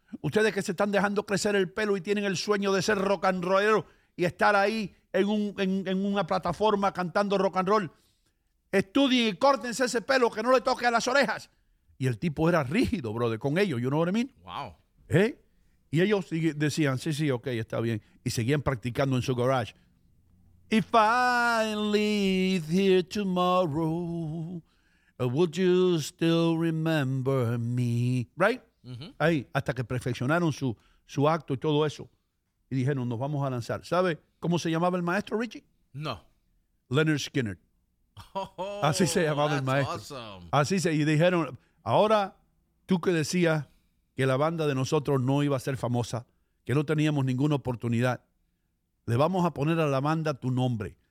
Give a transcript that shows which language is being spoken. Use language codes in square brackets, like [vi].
[es] Ustedes que se están dejando crecer el pelo y tienen el sueño de ser rock and rollero y estar ahí en una plataforma cantando rock and roll. Estudien y córtense ese pelo que no le toque a las orejas. Y el tipo era rígido, brother, con ellos. [en] You know what I mean? Wow. ¿Eh? [es] Y ellos decían, sí, sí, ok, está bien. Y seguían practicando en su garage. [en] If I leave here tomorrow, would you still remember me? Right? Uh-huh. [es] Ahí, hasta que perfeccionaron su acto y todo eso. Y dijeron, nos vamos a lanzar. ¿Sabe cómo se llamaba el maestro, Richie? No. Leonard Skinner. Oh, así se llamaba el maestro. [en] Awesome. [es] Así se, y dijeron, ahora tú que decías que la banda de nosotros no iba a ser famosa, que no teníamos ninguna oportunidad, le vamos a poner a la banda tu nombre.